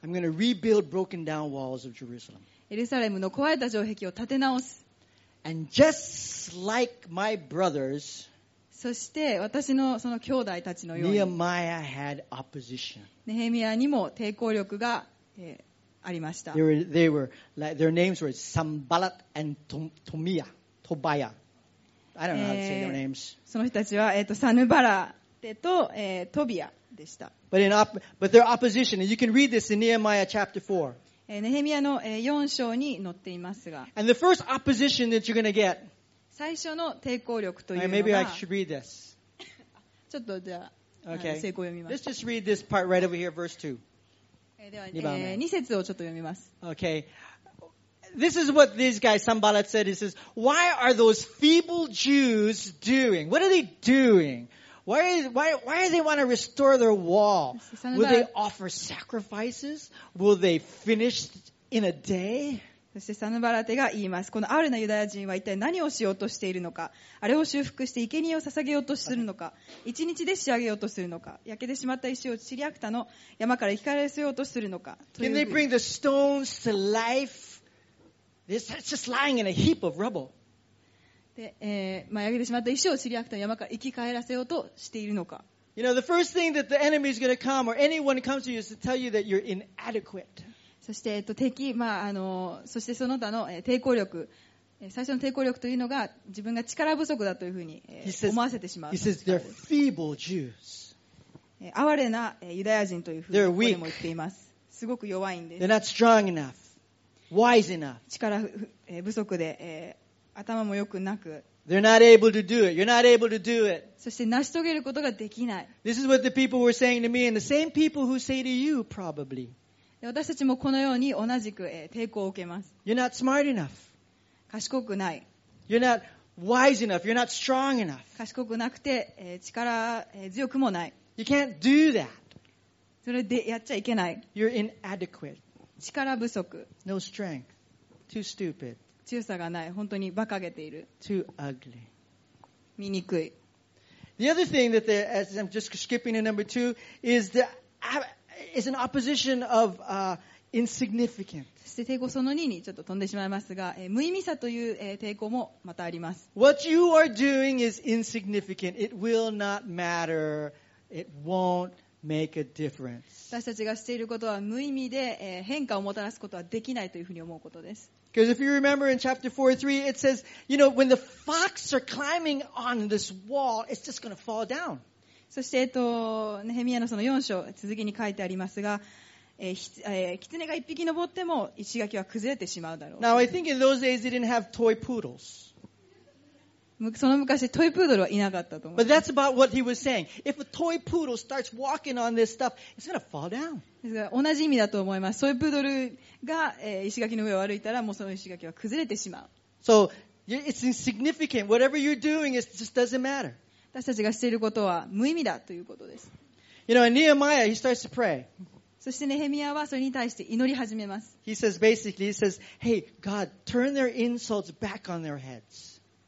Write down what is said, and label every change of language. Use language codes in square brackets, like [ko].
[en] I'm going to rebuild broken down walls of Jerusalem. [ja] エルサレムの壊れた城壁を建て直す。 [en] And just like my brothers, [ja] そして私のその兄弟たちのように [en] Nehemiah had opposition. [ja] ネヘミヤにも抵抗力が、ありました。 [en] they were, like, their names were Sambalat and Tobiah. I don't know how to say their names. [ja] その人たちは、サヌバラテと、トビアでした。 [en] But their opposition, and you can read this in Nehemiah chapter 4. [ja] ネヘミヤの4章に載っていますが。 [en] And the first opposition that you're going to get. [ja] 最初の抵抗力というのが。 [en] Maybe I should read this. [ja] ちょっとじゃあ、okay. 成功を読みます。 [en] Let's just read this part right over here, verse 2. [ja] では、2節をちょっと読みます。 [en] Okay. This is what this guy Sambalat said. He says, "Why are those feeble Jews doing? What are they doing? Why do they want to restore their wall? Will they offer sacrifices? Will they finish in a day?" [ja] そしてサヌバラテが言います。このアウレなユダヤ人は一体何をしようとしているのか。あれを修復して生贄を捧げようとするのか。一日で仕上げようとするのか。焼けてしまった石をチリアクタの山から生き返らせようとするのか。 [en] Can they bring the stones to life? It's just lying in a heap of rubble. [ja] で、まあ、焼けてしまった石をシリアクタの山から生き返らせようとしているのか。 [en] You know, the first thing that the enemy is going to come or anyone comes to you is to tell you that you're inadequate. [ja] そして、敵、まあ、そしてその他の、抵抗力、最初の抵抗力というのが自分が力不足だというふうに、思わせてしまう。 [en] He says they're feeble Jews. [ja] 哀れな、ユダヤ人というふうに [en] they're weak. [ja] これも言っています。すごく弱いんです。 [en] They're not strong enough. Wise enough. [ja] 力不足で、頭も良くなく。 [en] They're not able to do it. You're not able to do it. [ja] そして成し遂げることができない。 [en] This is what the people were saying to me, and the same people who say to you probably. [ja] 私たちもこのように同じく、抵抗を受けます。 [en] You're not smart enough. [ja] 賢くない。 [en] You're not wise enough. You're not strong enough. [ja] 賢くなくて、力、強くもない。 [en] You can't do that. [ja] それでやっちゃいけない。 [en] You're inadequate. [ja] 力不足。 [en] No strength. Too stupid. [ja] 強さがない。本当に馬鹿げている。 [en] Too ugly. [ja] 醜い。 [en] The other thing that as I'm just skipping to number two is an opposition of insignificant. [ja] そして抵抗その2にちょっと飛んでしまいますが、無意味さという抵抗もまたあります。 [en] What you are doing is insignificant. It will not matter. It won't. Make a difference. [ja] 私たちがしていることは無意味で、変化をもたらすことはできないというふうに思うことです。 [en] Because if you remember in chapter 4:3, it says, you know, when the fox are climbing on this wall, it's just going to fall down. [ja] そして、ネヘミヤのその4章、続きに書いてありますが、キツネが1匹登っても石垣は崩れてしまうだろう。 [en] Now, I think in those days they didn't have toy poodles. [ja] その昔トイプードルはいなかったと思う。 [en] But that's about what he was saying. If a toy poodle starts walking on this stuff, it's going to fall down. [ja] 同じ意味だと思います。トイプードルが石垣の上を歩いたら、もうその石垣は崩れてしまう。 [en] So it's insignificant. Whatever you're doing, it just doesn't matter. [ja] 私たちがしていることは無意味だということです。 [en] You know, Nehemiah, he starts to pray. [ja] そしてネヘミヤはそれに対して祈り始めます。 [en] He says basically, he says, "Hey, God, turn their insults back on their heads."